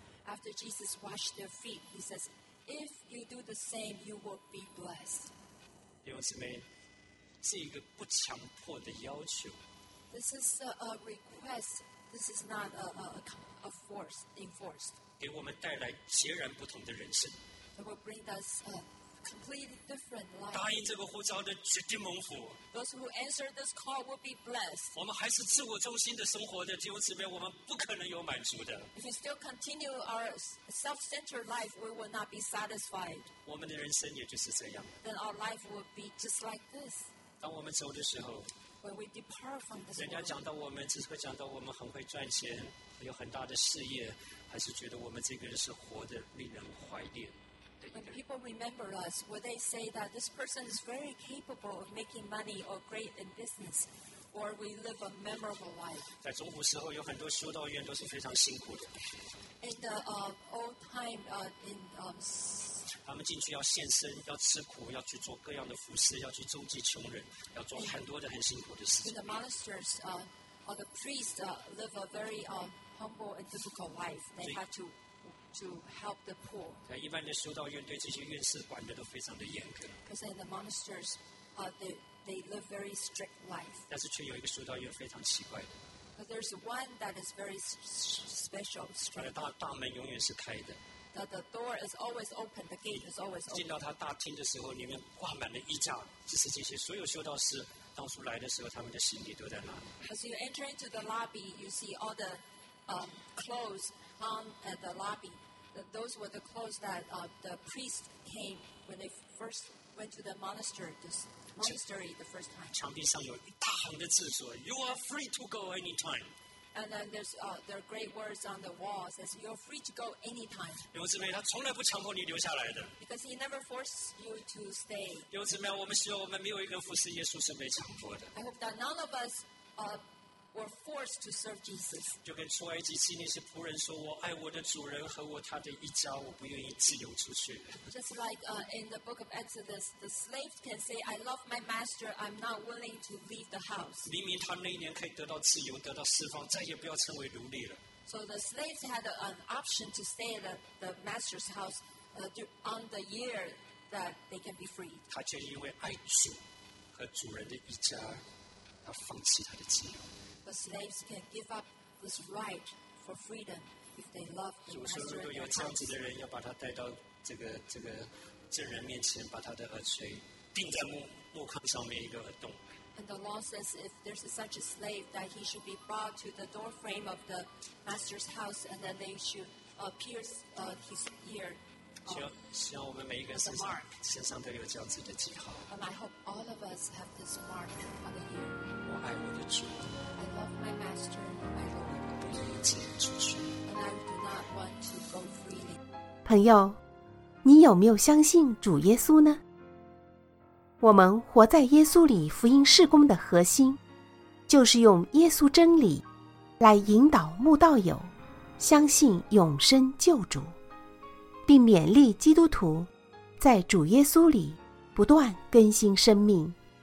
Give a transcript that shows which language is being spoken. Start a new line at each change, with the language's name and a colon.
English: After Jesus washed their feet, he says if you do the same, you will be blessed.
Chinese: 弟兄姊妹是一个不强迫的要求。
English: This is a request. This is not a force enforced.
Chinese: 给我们带来截然不同的人生。
English: It will bring us a completely different life.
Chinese: 答应这个呼召的绝对蒙福。
English: Those who answer this call will be blessed.
Chinese: 我们还是自我中心的生活的弟兄姊妹，我们不可能有满足的。
English: If we still continue our self-centered life, we will not be satisfied.
Chinese: 我们的人生也就是这样。
English: Then our life will be just like this.
Chinese: 当我们走的时候
English: When we depart from this world,
Chinese: 人家讲到我们只是会讲到我们很会赚钱有很大的事业还是觉得我们这个人是活得令人怀念的
English: When people remember us will they say that this person is very capable of making money or great in business or we live a memorable life
Chinese: 在中古时候有很多修道院都是非常辛苦的
English: In the old time in
Chinese: 他们进去要献身，要吃苦，要去做各样的服侍，要去周济穷人，要做很多的很辛苦的事情。
English: In the monasteries, or the priests live a very humble and difficult life. They have to help the poor.
Chinese: 在一般的修道院，对这些院士管的都非常的严格。
English: Because in the monasteries, they live very strict life.
Chinese: 但是却有一个修道院非常奇怪的。
English: But there's one that is very special.
Chinese: 它的大门永远是开的。
English: The door is always open. The gate is always open.
Chinese: 进到他大厅的时候，里面挂满了衣架，就是这些所有修道士当初来的时候，他们的行李都在那里。
English: As you enter into the lobby, you see all the clothes hung at the lobby. Those were the clothes that the priest came when they first went to the monastery the first time.
Chinese: 墙壁上有一大行的字说
English: "You are free to go anytime." And then there are great words on the wall says you're free to go anytime.
Chinese: 弟兄姊妹，他从来不强迫你留下来的。
English: Because he never forced you to stay.
Chinese: 弟兄姊妹，我们希望我们没有一个服侍耶稣是被强迫的。
English: I hope that none of us were forced to serve Jesus.
Chinese: 就跟出埃及记那些仆人说，我爱我的主人和我他的一家，我不愿意自由出去。
English: Just like in the book of Exodus, the slaves can say, "I love my master. I'm not willing to leave the house."
Chinese: 明明他那一年可以得到自由，得到释放，再也不要成为奴隶了。
English: So the slaves had an option to stay at the master's house on the year that they can be free.
Chinese: 他却因为爱主和主人的一家，他放弃他的自由。
English: The slaves can give up this right for freedom if they love the master.
Chinese: 主说：“如果有这样子的人，要把他带到这个证人面前，把他的耳垂钉在木框上面一个耳洞。”
English: And the law says, if there's such a slave, that he should be brought to the door frame of the master's house, and then they should pierce his ear
Chinese: 希望我们每一个人身上都有这样子的记号。
English: And I hope all of us have this mark on the ear.
Chinese: 我爱我的主。
English: I love my master.
Chinese: 我不愿意自由出去。
English: And I do not want to go freely.
Chinese: 朋友，你有没有相信主耶稣呢？我们活在耶稣里福音事工的核心，就是用耶稣真理来引导慕道友相信永生救主，并勉励基督徒在主耶稣里不断更新生命。